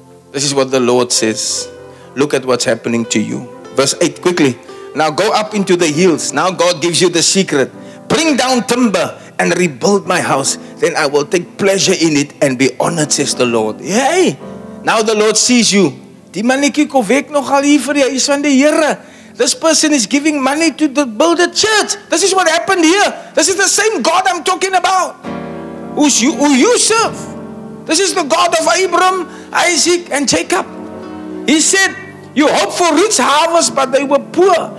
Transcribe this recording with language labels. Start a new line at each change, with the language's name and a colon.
English: This is what the Lord says. Look at what's happening to you. Verse 8, quickly. Now go up into the hills. Now God gives you the secret. Bring down timber and rebuild my house. Then I will take pleasure in it and be honored, says the Lord. Hey, now the Lord sees you.
Afrikaans: Die mannetjie kom weg nogal hier vir die huis van die Here.
English: This person is giving money to build a church. This is what happened here. This is the same God I'm talking about. Who you serve. This is the God of Abraham, Isaac, and Jacob. He said, you hope for rich harvest, but they were poor.